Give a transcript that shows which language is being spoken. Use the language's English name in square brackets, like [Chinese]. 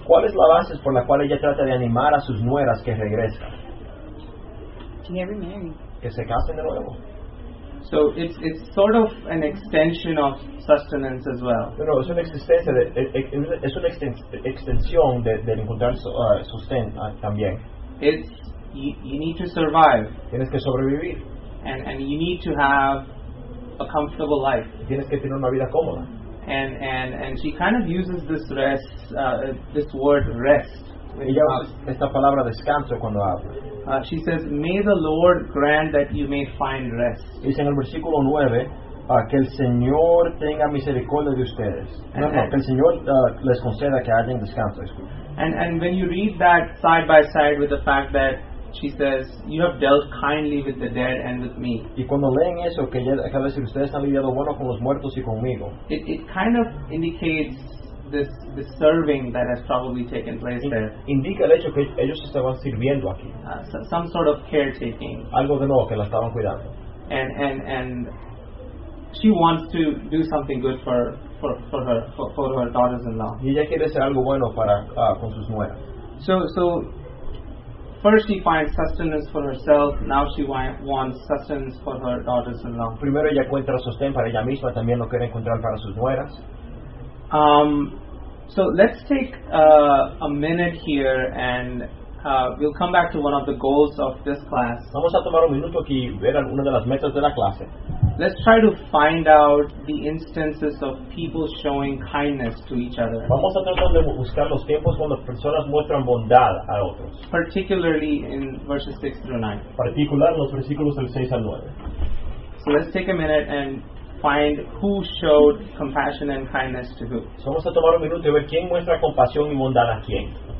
[Spanish] ¿Cuál es la base por la cual ella trata de animar a sus nueras que regresen? [English] To get remarried. [Spanish] Que se casen de nuevo. [English] So it's sort of an extension of sustenance as well. [Spanish] No, es una existencia extensión de encontrar sustento también. [English] It's you need to survive. [Spanish] Tienes que sobrevivir. [English] And you need to have a comfortable life. [Spanish] Tienes que tener una vida cómoda. [English] And she kind of uses this rest this word rest. [Spanish] Ella usa esta palabra descanso cuando habla. [English] She says, "May the Lord grant that you may find rest." [Spanish] Dice en el versículo 9, que el Señor tenga misericordia de ustedes. Que el Señor les conceda que hayan descanso. [English] And when you read that side by side with the fact that she says, "You have dealt kindly with the dead and with me." [Spanish] Y cuando leen eso, que ella acaba de decir, ustedes han lidiado bueno con los muertos y conmigo. [English] It kind of indicates this serving that has probably taken place there. [Spanish] Indica el hecho que ellos estaban sirviendo aquí. [English] Some sort of caretaking. [Spanish] Algo de nuevo que la estaban cuidando. [English] And she wants to do something good for for her daughters-in-law. [Spanish] Y ella quiere hacer algo bueno para con sus nueras. [English] So first she finds sustenance for herself. Now she wants sustenance for her daughters-in-law. [Spanish] Primero ella encuentra sostén para ella misma, también lo quiere encontrar para sus nueras. [English] So let's take a minute here, and we'll come back to one of the goals of this class. [Spanish] Vamos a tomar un minuto aquí y ver alguna de las metas de la clase. [English] Let's try to find out the instances of people showing kindness to each other. [Spanish] Vamos a tratar de buscar los tiempos cuando personas muestran bondad a otros. [English] Particularly in verses 6 through 9. [Spanish] Particular en los versículos del 6 al 9. [English] So let's take a minute and find who showed compassion and kindness to who. [Spanish] So vamos a tomar un minuto y ver quién muestra compasión y bondad a quién.